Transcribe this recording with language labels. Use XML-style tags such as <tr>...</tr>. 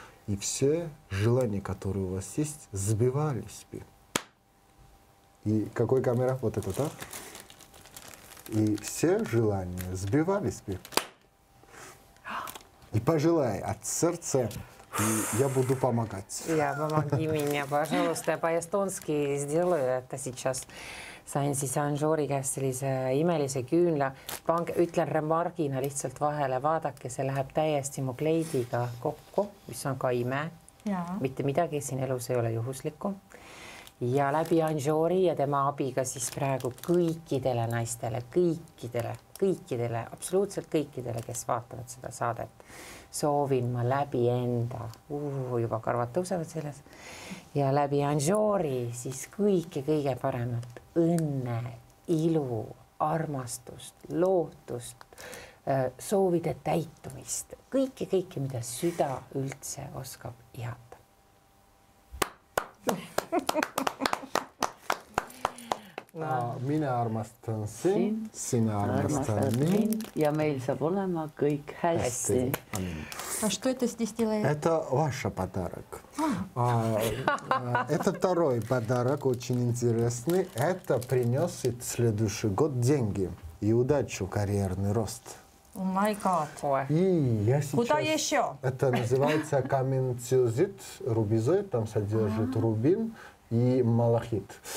<ru>И все желания, которые у вас есть, сбывались бы. И какой камера? Вот это, да? И все желания сбивались бы. И пожелай от сердца, и я буду помогать. Я, помоги мне, пожалуйста. Я по-эстонски сделаю это сейчас.</ru> <et>Sain siis Anžori käest sellise imelise küünla. Pange, ütlen remargina lihtsalt vahele. Vaadake, see läheb täiesti mu kleidiga kokku, mis on ka ime. Mitte midagi siin elus ei ole juhuslikku. Ja läbi Anžori ja tema abiga siis praegu kõikidele naistele, kõikidele, absoluutselt kõikidele, kes vaatavad seda saadet, soovin ma läbi enda, juba karvad tõusevad selles, ja läbi Anžori siis kõike kõige paremat õnne, ilu, armastust, lootust, soovide täitumist, kõike, mida süda üldse oskab ihata. Mine armastan sind, sina armastan mind. Ja meil saab olema kõik hästi.</et> <ru>А что это здесь делает? Это ваш подарок. Это второй подарок, очень интересный. Это принесет в следующий год деньги и удачу, карьерный рост.</ru> <en>My God.</en> <ru>И я сейчас... Куда еще? Это называется каменциозит, рубизоид, там содержит рубин и малахит.</ru>